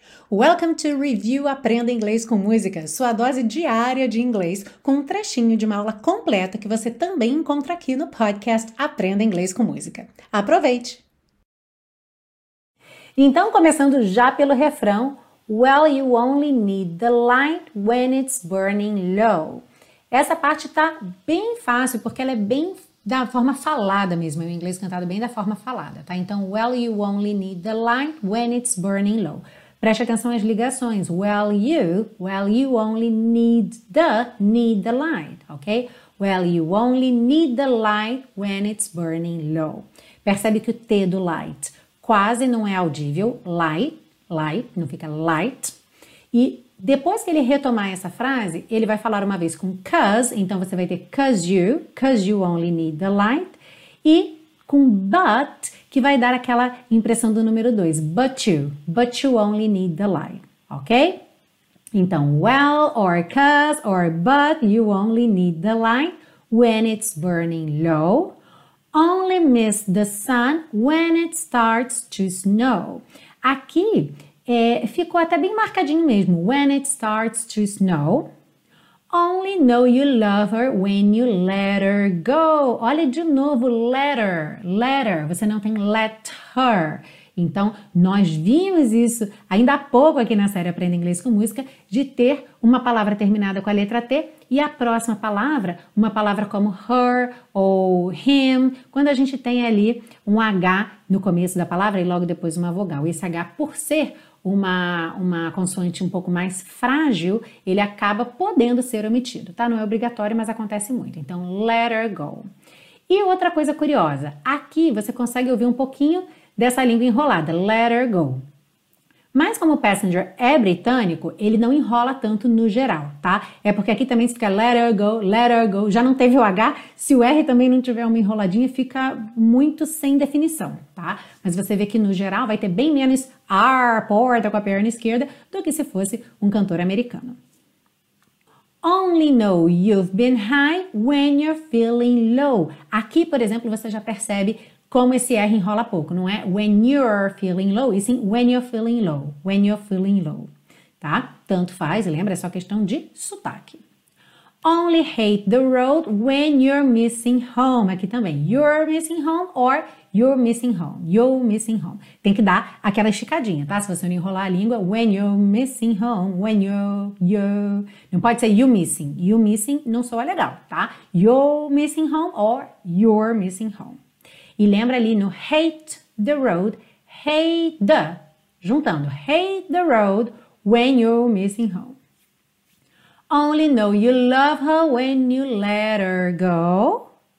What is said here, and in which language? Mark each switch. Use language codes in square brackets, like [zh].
[pt] Welcome to Review Aprenda Inglês com Música, sua dose diária de inglês, com um trechinho de uma aula completa que você também encontra aqui no podcast Aprenda Inglês com Música. Aproveite! Então, começando já pelo refrão, [en] Well, you only need the light when it's burning low. [pt] Essa parte tá bem fácil, porque ela é bem da forma falada mesmo, o inglês cantado bem da forma falada, tá? [en] Então, well, you only need the light when it's burning low. [pt] Preste atenção às ligações. [en] Well, you only need the light, ok? Well, you only need the light when it's burning low. [pt] Percebe que o T do light quase não é audível. Light, light, não fica light. E depois que ele retomar essa frase, ele vai falar uma vez com cause, então você vai ter [en] cause you only need the light. [pt] E com but, que vai dar aquela impressão do número 2, [en] but you only need the light, [pt] ok? [en] Então, well, or cause, or but, you only need the light when it's burning low. Only miss the sun when it starts to snow. [pt] Aqui, ficou até bem marcadinho mesmo, [en] when it starts to snow. Only know you love her when you let her go. [pt] Olha de novo, letter. Você não tem let her. Então, nós vimos isso ainda há pouco aqui na série Aprenda Inglês com Música, de ter uma palavra terminada com a letra T e a próxima palavra, uma palavra como her ou him, quando a gente tem ali um H no começo da palavra e logo depois uma vogal. Esse H, por ser uma consoante um pouco mais frágil, ele acaba podendo ser omitido, tá? Não é obrigatório, mas acontece muito. Então, [en] let her go. [pt] E outra coisa curiosa, aqui você consegue ouvir um pouquinho dessa língua enrolada, let her go. Mas como o passenger é britânico, ele não enrola tanto no geral, tá? É porque aqui também fica [en] let her go, [pt] já não teve o H, se o R também não tiver uma enroladinha, fica muito sem definição, tá? Mas você vê que no geral vai ter bem menos R, porta com a perna esquerda, do que se fosse um cantor americano. [en] Only know you've been high when you're feeling low. [pt] Aqui, por exemplo, você já percebe como esse R enrola pouco, não é? [en] When you're feeling low, [pt] e sim [en] when you're feeling low. When you're feeling low, [pt] tá? Tanto faz, lembra? É só questão de sotaque. [en] Only hate the road when you're missing home. [pt] Aqui também, [en] you're missing home or you're missing home. You're missing home. [pt] Tem que dar aquela esticadinha, tá? Se você não enrolar a língua, [en] when you're missing home, when you're... [pt] Não pode ser you missing. You missing não soa legal, tá? [en] You're missing home or you're missing home. [pt] E lembra ali no [en] hate the road, hate the, [pt] juntando, [en] hate the road when you're missing home. Only know you love her when you let her go.